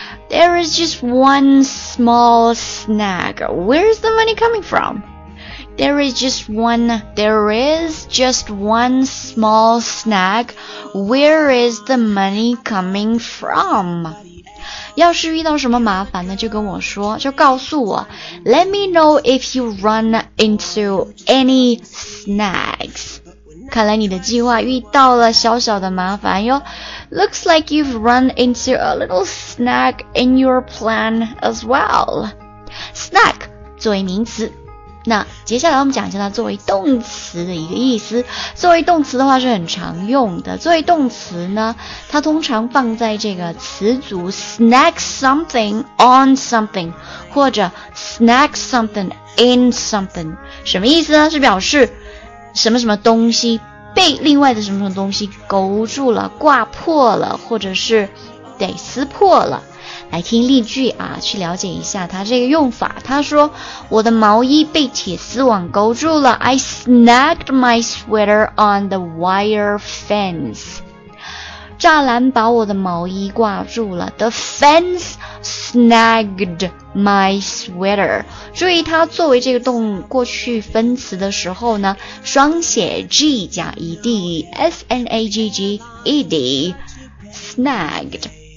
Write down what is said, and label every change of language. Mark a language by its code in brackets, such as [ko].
[en] There is just one small snag. Where's the money coming from? There is just one small snag. Where is the money coming from? [zh] 要是遇到什么麻烦呢，就跟我说，就告诉我。 [en] Let me know if you run into any snags. [zh] 看来你的计划遇到了小小的麻烦哟。 [en] Looks like you've run into a little snag in your plan as well. [zh] Snag 作为名词，那接下来我们讲一下作为动词的一个意思。作为动词的话是很常用的，作为动词呢，它通常放在这个词组 [en] snag something on something [zh] 或者 [en] snag something in something。 [zh] 什么意思呢？是表示什么什么东西被另外的什么什么东西勾住了，挂破了，或者是得撕破了。来听例句啊，去了解一下它这个用法。他说，我的毛衣被铁丝网勾住了。 [en] I snagged my sweater on the wire fence. [zh] 栅栏把我的毛衣挂住了。 [en] The fence snagged my sweater. [zh] 注意它作为这个动过去分词的时候呢，双写 G 加 ED, S-N-A-G-G-E-D, snagged.